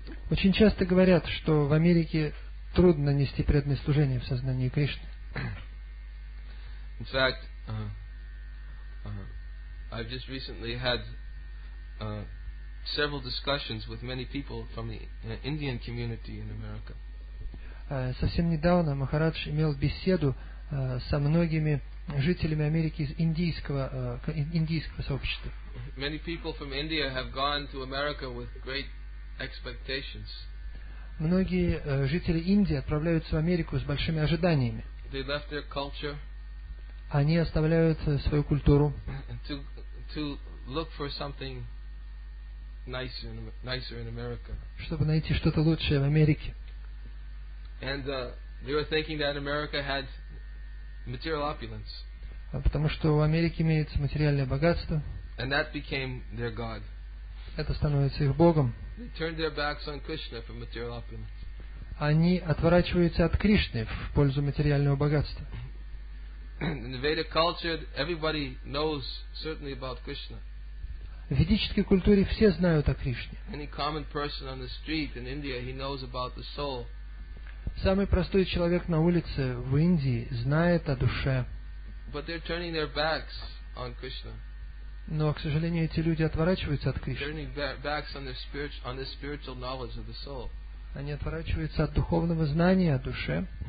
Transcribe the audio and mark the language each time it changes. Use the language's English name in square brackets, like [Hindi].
[Russian] Очень часто говорят, что в Америке трудно нести преданное служение в сознании Кришны. [English] In fact, I've just recently had several discussions with many people from the Indian community in America. [Russian] Совсем недавно Махарадж имел беседу со многими жителями Америки из индийского сообщества. [English] Many people from India have gone to America with great expectations. [Russian] Многие жители Индии отправляются в Америку с большими ожиданиями. [English] They left their culture. [Russian] Они оставляют свою культуру. [English] To look for something nicer in America. [Russian] Чтобы найти что-то лучшее в Америке. [English] And they were thinking that America had material opulence. [Russian] Потому что у Америки имеется материальное богатство. [English] And that became their God. [Russian] Это становится их Богом. [English] They turned their backs on Krishna for material opulence. [Russian] Они отворачиваются от Кришны в пользу материального богатства. [English] In the Vedic culture, everybody knows certainly about Krishna. [Russian] В ведической культуре все знают о Кришне. [English] Any common person on the street in India, he knows about the soul. [Russian] Самый простой человек на улице в Индии знает о душе. [English] But they're turning their backs on Krishna. [Russian] Но, к сожалению, эти люди отворачиваются от Кришны. [English] Turning backs on their spiritual knowledge of the soul. [Russian] Они отворачиваются от духовного знания о душе.